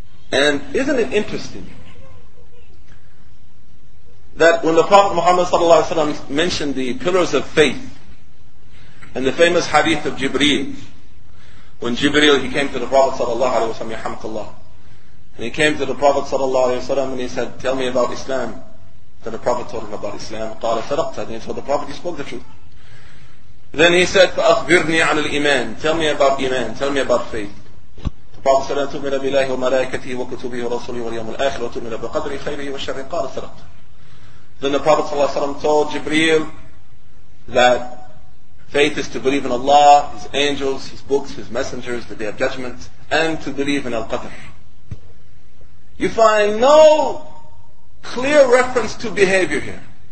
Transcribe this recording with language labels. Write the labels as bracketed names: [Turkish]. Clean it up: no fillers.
[English] And isn't it interesting that when the Prophet Muhammad sallallahu alaihi wasallam mentioned the pillars of faith and the famous hadith of Jibreel, when Jibreel, he came to the Prophet sallallahu alaihi wasallam, yahamakallah, and he came to the Prophet sallallahu alaihi wasallam and he said, tell me about Islam. Then the Prophet told him about Islam. [Arabic] قَالَ صَدَقْتَ. [English] Then he told the Prophet, he spoke the truth. Then he said, [Arabic] فَأَخْبِرْنِي عَنِ الْإِمَانِ. [English] Tell me about Iman, tell me about faith. The Prophet said, [Arabic] تُؤْمِنَ بِاللَّهِ وَمَلَائِكَتِهِ وَكُتُبِهِ وَرَسُولِهِ وَالْيَوْمِ الْآخِرِ وَتُؤْمِنَ بِقَدْرِ خَيْرِهِ وَشَرِّهِ. قَالَ صَدَقْتَ. [English] Then the Prophet ﷺ told Jibreel that faith is to believe in Allah, His angels, His books, His messengers, the Day of Judgment, and to believe in Al-Qadr. You find no clear reference to behavior here.